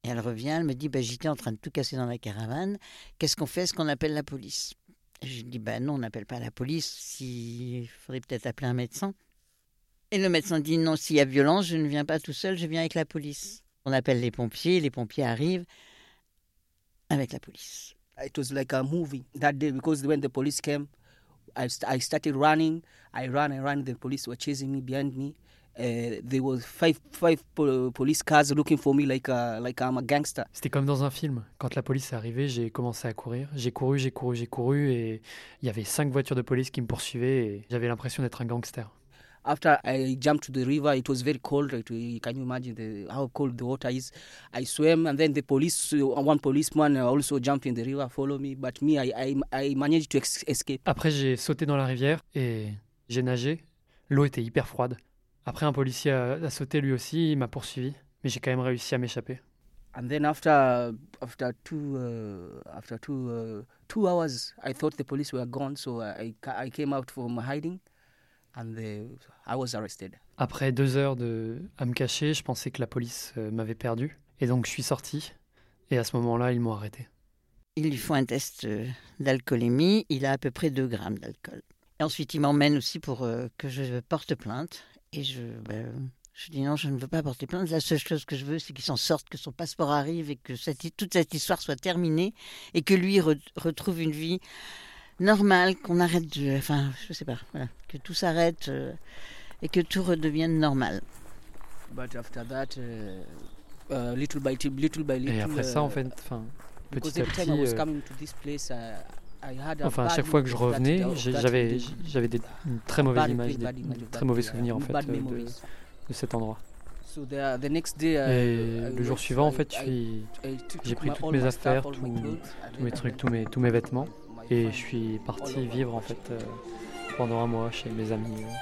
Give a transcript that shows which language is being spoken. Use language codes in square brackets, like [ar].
[fr] Et elle revient, elle me dit, ben, j'étais en train de tout casser dans la caravane. Qu'est-ce qu'on fait ? Est-ce qu'on appelle la police ? Et je dis, ben, non, on n'appelle pas la police. Il faudrait peut-être appeler un médecin. Et le médecin dit, non, s'il y a violence, je ne viens pas tout seul, je viens avec la police. On appelle les pompiers arrivent avec la police. [en] It was like a movie that day, because when the police came, I started running. I ran, the police were chasing me behind me. There was five police cars looking for me like I'm a gangster. [fr] C'était comme dans un film. Quand la police est arrivée, j'ai commencé à courir. J'ai couru et il y avait 5 voitures de police qui me poursuivaient et j'avais l'impression d'être un gangster. [en] After I jumped to the river, it was very cold. Can you imagine how cold the water is? I swam and then the police, one policeman also jumped in the river, follow me. But me, I managed to escape. [fr] Après, j'ai sauté dans la rivière et j'ai nagé. L'eau était hyper froide. Après, un policier a sauté lui aussi, il m'a poursuivi, mais j'ai quand même réussi à m'échapper. [en] And then after two hours, I thought the police were gone, so I came out from hiding, and I was arrested. [fr] Après 2 heures à me cacher, je pensais que la police m'avait perdu, et donc je suis sorti, et à ce moment-là, ils m'ont arrêté. Il lui faut un test d'alcoolémie, il a à peu près 2 grammes d'alcool. Et ensuite, il m'emmène aussi pour que je porte plainte. Et Je dis non, je ne veux pas porter plainte. La seule chose que je veux, c'est qu'il s'en sorte, que son passeport arrive et que cette, toute cette histoire soit terminée et que lui retrouve une vie normale, qu'on arrête de... Enfin, je sais pas, voilà, que tout s'arrête et que tout redevienne normal. [en] But after that, little by little, little by little... [fr] Et après ça, en fait, enfin, petit à petit... Enfin, à chaque fois que je revenais, j'avais des, une très mauvaise image, des très mauvais souvenirs en fait de cet endroit. Et le jour suivant, en fait, j'ai pris toutes mes affaires, tous mes trucs, tous mes vêtements, et je suis parti vivre en fait pendant un mois chez mes amis.